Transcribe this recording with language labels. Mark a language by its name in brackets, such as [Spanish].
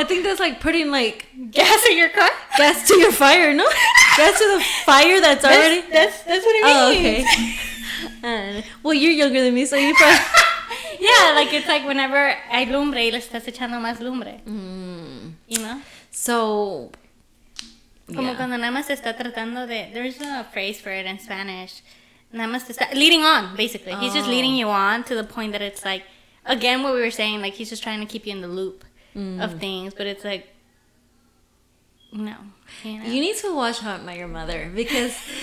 [English] I think that's like putting like gas in your car. Gas to your fire, no? Gas to the fire that's already. That's what it means. Oh, okay. Well, you're younger than me, so you probably. Yeah, like it's like whenever [Spanish] hay lumbre y le estás echando más lumbre. [English] Mm. You know? So. [Spanish] Como cuando nada más está tratando de. [English] There's a phrase for it in Spanish. [Spanish] Nada más está. [English] Leading on, basically. Oh. He's just leading you on to the point that it's like. Again, what we were saying, like, he's just trying to keep you in the loop of things, but it's like, no. You need to watch How I Met Your Mother, because...